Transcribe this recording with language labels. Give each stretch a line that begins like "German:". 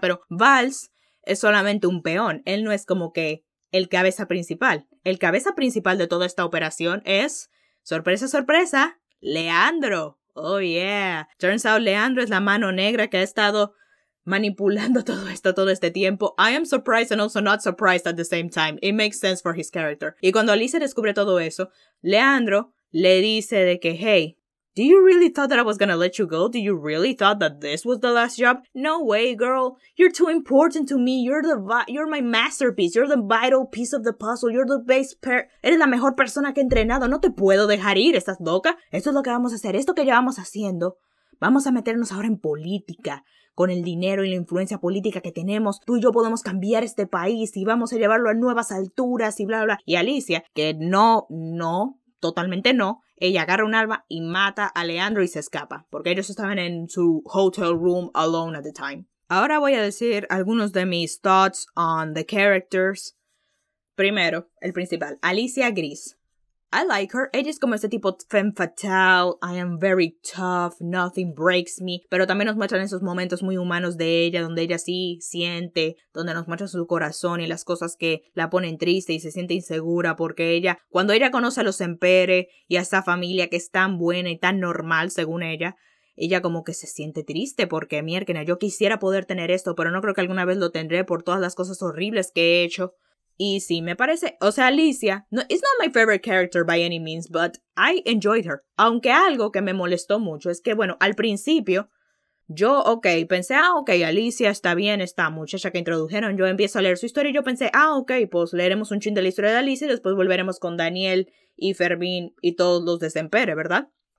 Spanish: Pero Valls es solamente un peón. Él no es como que el cabeza principal. El cabeza principal de toda esta operación es, sorpresa, sorpresa, Leandro.
English: Oh, yeah. Turns out
Spanish: Leandro es la mano negra que ha estado manipulando todo esto todo este tiempo.
English: I am surprised and also not surprised at the same time. It makes sense for his character.
Spanish: Y cuando Alicia descubre todo eso, Leandro le dice de que,
English: hey, do you really thought that I was gonna let you go? Do you really thought that this was the last job? No way, girl. You're too important to me. You're my masterpiece. You're the vital piece of the puzzle. You're the best pair.
Spanish: Eres la mejor persona que he entrenado. No te puedo dejar ir. ¿Estás loca? Esto es lo que vamos a hacer. Esto que llevamos haciendo. Vamos a meternos ahora en política. Con el dinero y la influencia política que tenemos, tú y yo podemos cambiar este país y vamos a llevarlo a nuevas alturas y bla, bla, bla. Y Alicia, que no, totalmente no, ella agarra un arma y mata a Leandro y se escapa. Porque ellos estaban en su
English: hotel room alone at the time.
Spanish: Ahora voy a decir algunos de mis
English: thoughts on the characters.
Spanish: Primero, el principal, Alicia Gris.
English: I like her.
Spanish: Ella es como ese tipo femme fatale.
English: I am very tough. Nothing breaks me.
Spanish: Pero también nos muestran esos momentos muy humanos de ella, donde ella sí siente, donde nos muestra su corazón y las cosas que la ponen triste y se siente insegura. Porque ella, cuando ella conoce a los Empere y a esa familia que es tan buena y tan normal según ella, ella como que se siente triste porque, mierda, yo quisiera poder tener esto, pero no creo que alguna vez lo tendré por todas las cosas horribles que he hecho. Y sí, me parece, o sea, Alicia, no,
English: it's not my favorite character by any means, but I enjoyed her.
Spanish: Aunque algo que me molestó mucho es que, bueno, al principio, yo, okay, pensé, ah, okay, Alicia está bien, está muchacha que introdujeron, yo empiezo a leer su historia y yo pensé, ah, okay, pues leeremos un chin de la historia de Alicia y después volveremos con Daniel y Fermín y todos los de Sempere, ¿verdad?